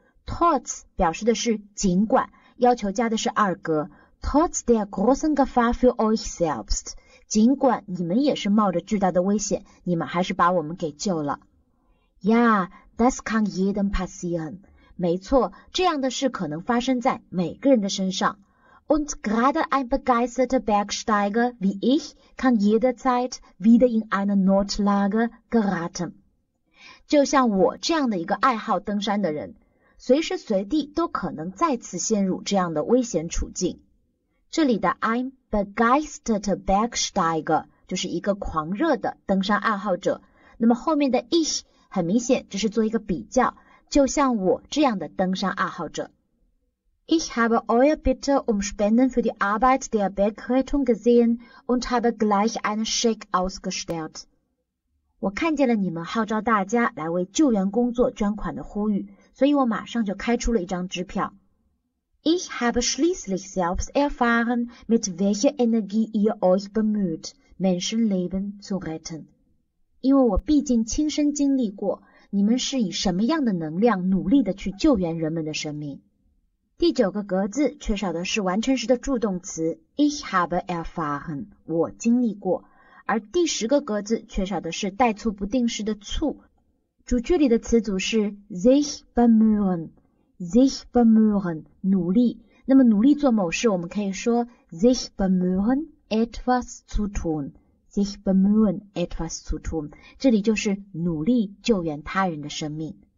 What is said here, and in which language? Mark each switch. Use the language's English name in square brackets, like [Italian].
[Chinese] trotz 表示的是尽管，要求加的是二格 [German] trotz der großen Gefahr für euch selbst， [Chinese] 尽管你们也是冒着巨大的危险，你们还是把我们给救了。 [German] Ja, das kann jedem passieren， [Chinese] 没错，这样的事可能发生在每个人的身上。 [German] Und gerade ein begeisterter Bergsteiger wie ich kann jederzeit wieder in eine Notlage geraten. [Chinese] 就像我这样的一个爱好登山的人，随时随地都可能再次陷入这样的危险处境。这里的 [German] ein begeisterter Bergsteiger [Chinese] 就是一个狂热的登山爱好者，那么后面的 ich 很明显这是做一个比较，就像我这样的登山爱好者。 [German] Ich habe euer Bitte um Spenden für die Arbeit der Bergrettung gesehen und habe gleich einen Scheck ausgestellt. [Chinese] 我看见了你们号召大家来为救援工作捐款的呼吁，所以我马上就开出了一张支票。 [German] Ich habe schließlich selbst erfahren, mit welcher Energie ihr euch bemüht, Menschenleben zu retten. [Chinese] 因为我毕竟亲身经历过，你们是以什么样的能量努力地去救援人们的生命。第九个格子缺少的是完成时的助动词 [German] Ich habe erfahren， [Chinese] 我经历过。而第十个格子缺少的是代促不定时的促，主句里的词组是 sich bemühen， sich bemühen 努力，那么努力做某事我们可以说 [German] sich bemühen etwas zu tun， [Chinese] sich bemühen etwas zu tun， 这里就是努力救援他人的生命。